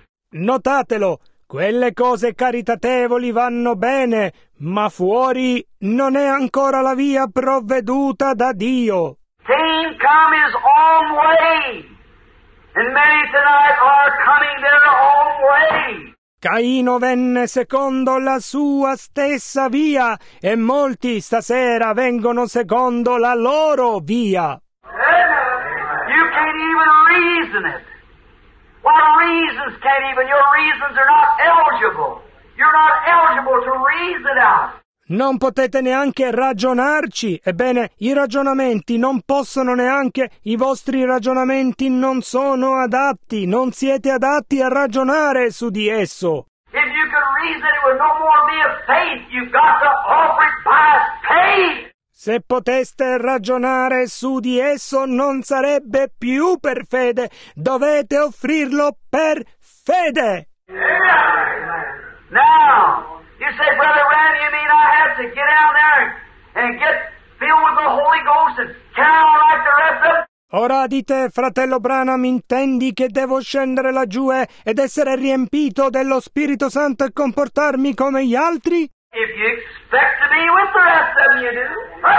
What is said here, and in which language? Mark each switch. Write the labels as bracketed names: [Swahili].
[Italian] Notatelo, quelle cose caritatevoli vanno bene, ma fuori non è ancora la via provveduta da Dio. [English] Fame come his own way. And many tonight are coming their own way. [Italian] Caino venne secondo la sua stessa via, e molti stasera vengono secondo la loro via. [English] You can't even reason it. What reasons can't even? Your reasons are not eligible. You're not eligible to reason out. [Italian] Non potete neanche ragionarci. Ebbene, i ragionamenti non possono neanche, i vostri ragionamenti non sono adatti, non siete adatti a ragionare su di esso. [English] If you can reason, it would no more be a faith. You've got to offer it by faith. [Italian] Se poteste ragionare su di esso, non sarebbe più per fede. Dovete offrirlo per fede. [English] Yeah. Now, you say, Brother Randy, you mean I have to get out there and get filled with the Holy Ghost and count on like the rest of us? [Italian] Ora dite, fratello Branham, intendi che devo scendere laggiù ed essere riempito dello Spirito Santo e comportarmi come gli altri? [English] If you expect to be with the rest of you, do.